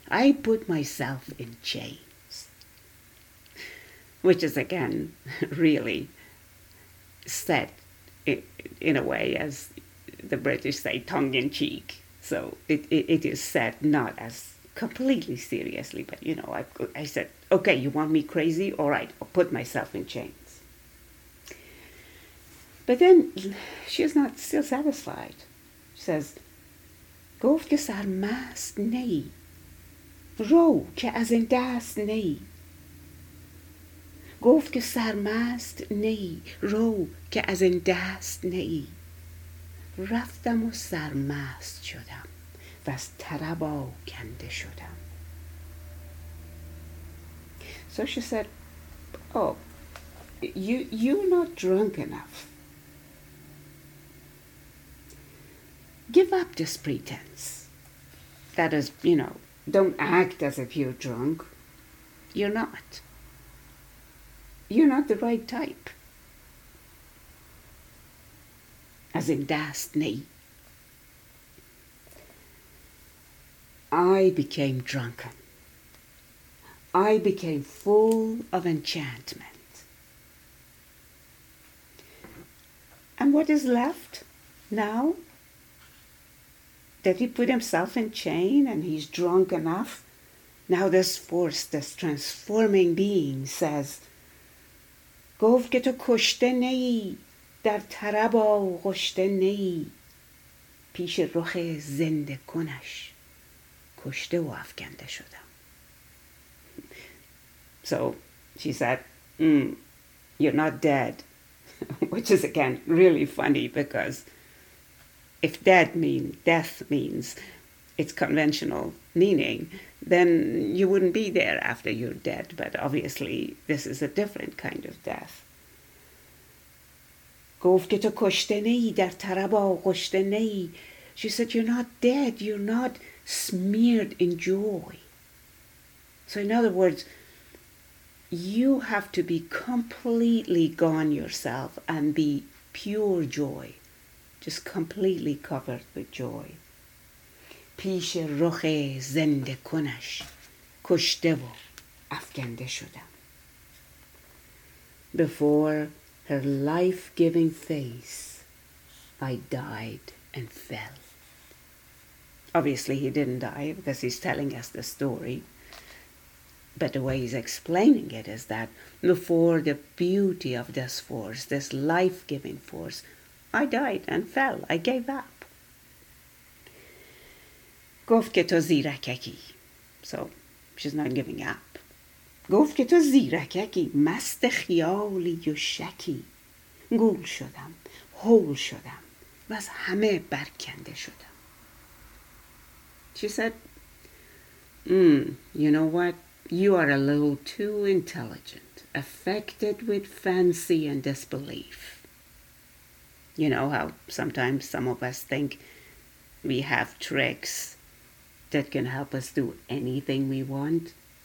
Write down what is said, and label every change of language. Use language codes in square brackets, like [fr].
[en] I put myself in chains. Which is, again, really said in a way, as the British say, tongue in cheek. So it is said not as completely seriously, but you know, I said, okay, you want me crazy? All right, I'll put myself in chains. But then she is not still satisfied. She says, [fa] گفت که سرمست نی، رو که از این دست نی. گفت که سرمست نی، رو که از این دست نی. رفتم و سرمست شدم و از طرب آکنده شدم. [en] So she said, oh, you're not drunk enough. Give up this pretense. That is, you know, don't act as if you're drunk. You're not. You're not the right type. As in [fa] dast nay. [en] I became drunken. I became full of enchantment. And what is left now? That he put himself in chain and he's drunk enough. Now this force, this transforming being says, [fa] گفت که تو کشته نی، در طرب آغشته نی، پیش رخ زنده کنش کشته و افکنده شدم. [en] So she said, you're not dead, which is again really funny because if dead mean death means its conventional meaning, then you wouldn't be there after you're dead. But obviously, this is a different kind of death. She said, you're not dead. You're not smeared in joy. So in other words, you have to be completely gone yourself and be pure joy. Just completely covered with joy. [fa] پیش رخ زنده کنش کشته و افکنده شدم. [en] Before her life-giving face, I died and fell. Obviously, he didn't die because he's telling us the story. But the way he's explaining it is that before the beauty of this force, this life-giving force, I died and fell. I gave up. [fa] گفت که تو زیرککی. [en] So, she's not giving up. [fa] گفت که تو زیرککی، مست خیالی و شکی. گول شدم، هول شدم، و از همه برکنده شدم. [en] She said, you know what? You are a little too intelligent, affected with fancy and disbelief. You know how sometimes some of us think we have tricks that can help us do anything we want?